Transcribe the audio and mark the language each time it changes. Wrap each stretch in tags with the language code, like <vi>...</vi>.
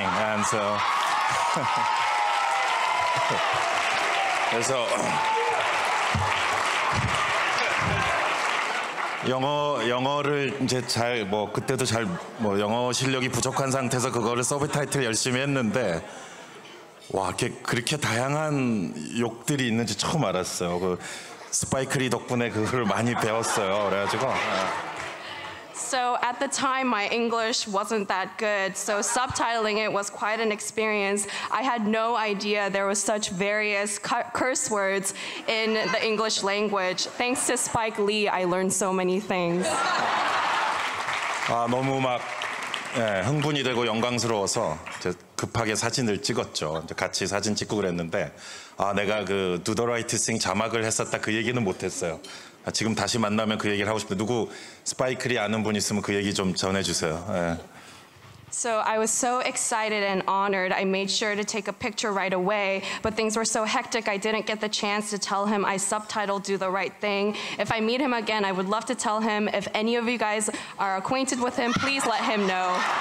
<en>And so,</en> <ko>그래서 영어를 이제 잘 뭐 그때도 잘 뭐 영어 실력이 부족한 상태에서 그거를 서브타이틀 열심히 했는데 와 그렇게 다양한 욕들이 있는지 처음 알았어요. 그 스파이크리 덕분에 그걸 많이 배웠어요. 그래가지고.</ko> <en>So at the time my English wasn't that good, so subtitling it was quite an experience. I had no idea there was such various curse words in the English language. Thanks to Spike Lee, I learned so many things.</en> <ko>아 너무 막 예, 흥분이 되고 영광스러워서 이제 급하게 사진을 찍었죠. 이제 같이 사진 찍고 그랬는데 아 내가 그 Do the Right Thing 자막을 했었다 그 얘기는 못했어요. 지금 다시 만나면 그 얘기를 하고 싶은데 누구 스파이크리 아는 분 있으면 그 얘기 좀 전해주세요. 예.</ko> <en>So I was so excited and honored. I made sure to take a picture right away, but things were so hectic I didn't get the chance to tell him I subtitled Do the Right Thing. If I meet him again, I would love to tell him. If any of you guys are acquainted with him, please let him know.</en>